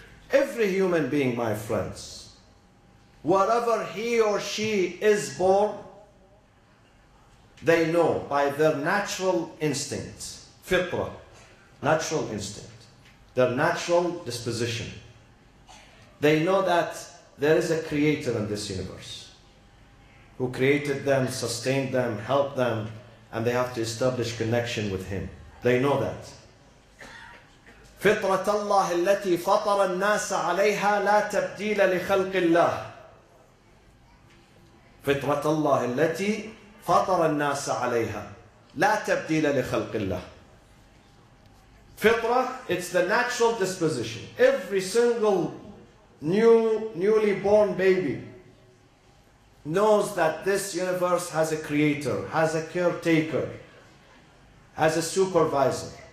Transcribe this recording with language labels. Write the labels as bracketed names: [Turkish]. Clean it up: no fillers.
[English] Every human being, my friends, wherever he or she is born, they know by their natural instinct, fitra, natural instinct, their natural disposition. They know that there is a creator in this universe who created them, sustained them, helped them, and they have to establish connection with him. They know that. [Arabic] فطرة الله التي فطر الناس عليها لا تبديل لخلق الله. فطرة الله التي فطر الناس عليها لا تبديل لخلق الله. [English] Fitra, it's the natural disposition. Every single newly born baby knows that this universe has a creator, has a caretaker, has a supervisor.